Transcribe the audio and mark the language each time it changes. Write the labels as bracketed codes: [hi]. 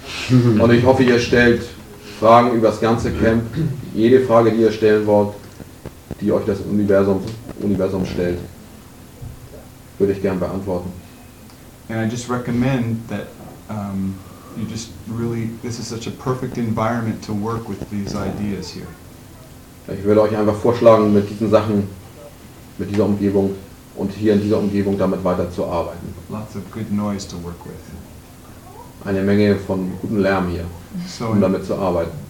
[de] Und ich hoffe, ihr stellt Fragen über das ganze Camp, jede Frage, die ihr stellen wollt, die euch das Universum stellt, würde ich gern beantworten. [en] And I just recommend that you just really, this is such a perfect environment to work with these ideas here. [de] Ich würde euch einfach vorschlagen, mit diesen Sachen, mit dieser Umgebung und hier in dieser Umgebung damit weiterzuarbeiten. [en] Lots of good noise to work with. [de] Eine Menge von gutem Lärm hier, so um damit zu arbeiten.